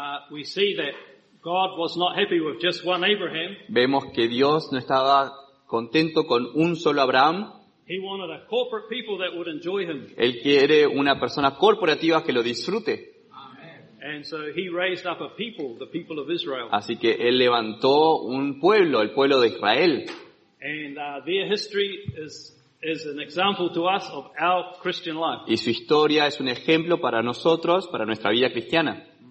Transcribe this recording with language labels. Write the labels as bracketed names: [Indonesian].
[English] We see that God was not happy with just one Abraham. [Spanish] Vemos que Dios no estaba contento con un solo Abraham. [English] He wanted a corporate people that would enjoy him. [Spanish] Él quiere una persona corporativa que lo disfrute. [English] And so he raised up a people, the people of Israel. [Spanish] Así que él levantó un pueblo, el pueblo de Israel. [English] And their history is an example to us of our Christian life. [Spanish] Y su historia es un ejemplo para nosotros, para nuestra vida cristiana.